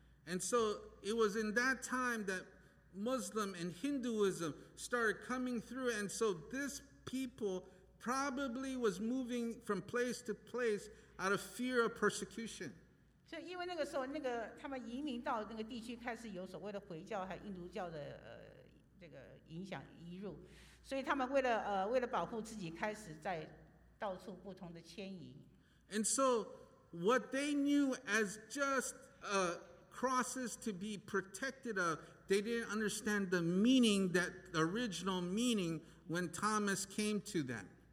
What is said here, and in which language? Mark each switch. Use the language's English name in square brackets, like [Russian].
[English] And so it was in that time that Muslim and Hinduism started coming through, and so this people probably was moving from place to place out of fear of persecution. [Chinese] 因为那个时候，那个他们移民到那个地区，开始有所谓的回教和印度教的这个影响移入，所以他们为了保护自己，开始在到处不同的迁移。And [English] so, what they knew as just crosses to be protected of, they didn't understand the meaning that the original meaning when Thomas came to them.